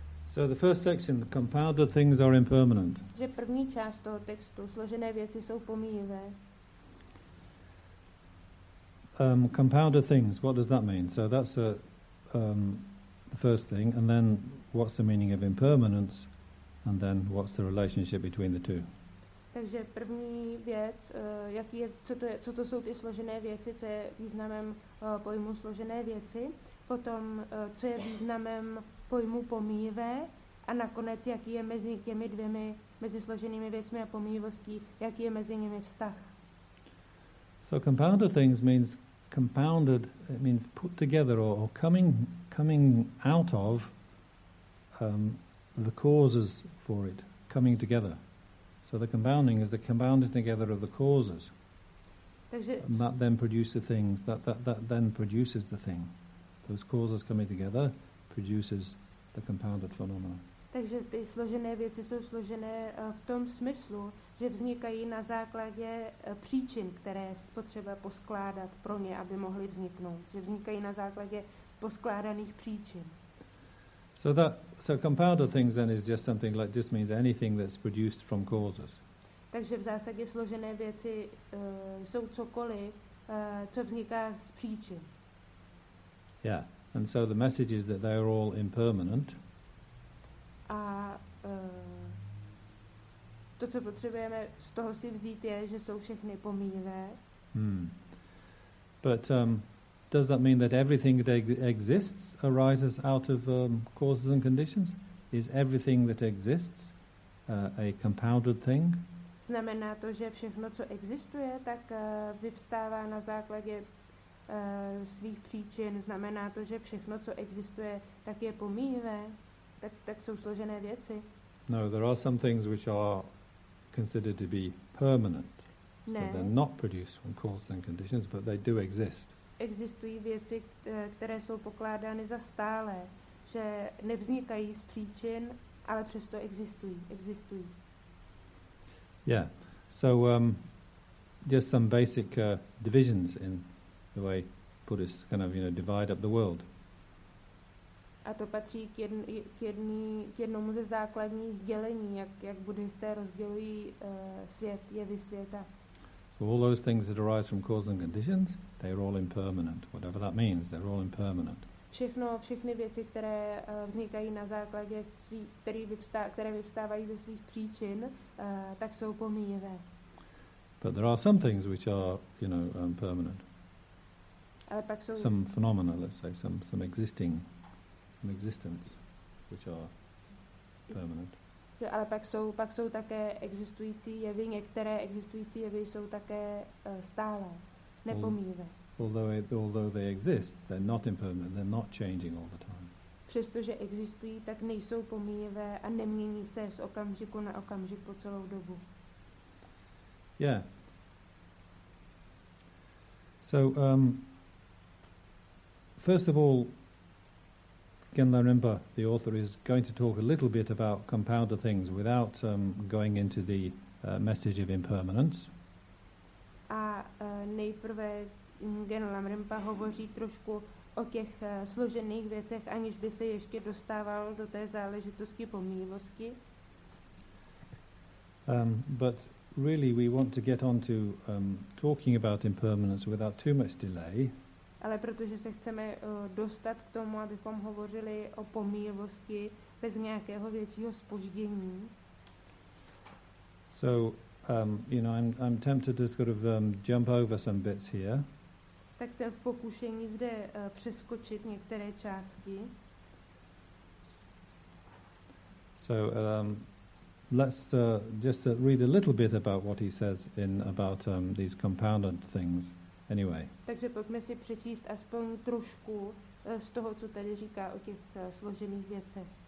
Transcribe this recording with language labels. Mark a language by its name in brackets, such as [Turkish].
[English] So the first section, the compounded things are impermanent. [Czech] Že první část toho textu, složené věci jsou pomíjivé. [English] Compounded things, what does that mean? So that's the first thing, and then what's the meaning of impermanence, and then what's the relationship between the two? [Czech] Takže první věc, co to jsou ty složené věci, co je významem pojmu složené věci, potom co je významem pojmu pomíjivé a nakonec, jaký je mezi těmi dvěmi, mezi složenými věcmi a pomíjivostí, jaký je mezi nimi vztah. [English] So compounded things means compounded, it means put together or coming out of the causes for it, coming together. So the compounding is the compounding together of the causes. [Czech] Takže [English] and that then produces the things, that then produces the thing. Those causes coming together produces the compounded phenomena. [Czech] Takže ty složené věci jsou složené v tom smyslu, že vznikají na základě příčin, které je potřeba poskládat pro ně, aby mohly vzniknout. Že vznikají na základě poskládaných příčin. [English] So compounded things then is just something like, just means anything that's produced from causes. [Czech] Takže v zásadě složené věci jsou cokoliv, co vzniká z příčin. [English] Yeah. And so the message is that they are all impermanent. [Czech] A to, co potřebujeme z toho si vzít, je, že jsou všechny pomíjivé. [English] But does that mean that everything that exists arises out of causes and conditions? Is everything that exists a compounded thing? [Czech] Znamená to, že všechno, co existuje, tak vyvstává na základě svých příčin, znamená to, že všechno, co existuje, tak je pomíjivé, tak jsou složené věci. [English] No, there are some things which are considered to be permanent. [Czech] Ne. [English] So they're not produced from causes and conditions, but they do exist. [Czech] Existují věci, které jsou pokládány za stálé, že nevznikají z příčin, ale přesto existují. [English] Yeah, so just some basic divisions in the way Buddhists kind of, you know, divide up the world. [Czech] A to patří k jednomu ze základních dělení, jak buddhisté rozdělují svět, jevy světa. [English] So all those things that arise from causes and conditions, they're all impermanent. Whatever that means, they're all impermanent. [Czech] Všechny věci, které vznikají na základě které vyvstávají ze svých příčin, tak jsou pomíjivé. [English] But there are some things which are, you know, permanent. [Czech] Ale pak jsou [English] some phenomena, let's say, some existing, some existence, which are permanent. [Czech] Jo, ale pak jsou také existující jevy, některé existující jevy jsou také stálé, nepomíjivé. [English] Although they exist, they're not impermanent, they're not changing all the time. [Czech] přestože existují, tak nejsou pomíjivé a nemění se z okamžiku na okamžik po celou dobu. [English] Yeah. So, first of all, Genla Rinpa, the author, is going to talk a little bit about compounder things without going into the message of impermanence. [Czech] A nejprve Genla Rinpa hovoří trošku o těch složených věcech, aniž by se ještě dostával do té záležitosti pomývosti. [English] But really we want to get on to talking about impermanence without too much delay. [Czech] Ale protože se chceme dostat k tomu, abychom hovořili o pomývosti bez nějakého většího zpoždění. [English] So, you know, I'm tempted to sort of jump over some bits here. [Czech] Tak jsem v pokušení zde přeskočit některé části. [English] So, let's just read a little bit about what he says in about these compounded things anyway. [Czech] Takže pojďme si přečíst aspoň trošku z toho, co tady říká o těch složených věcech.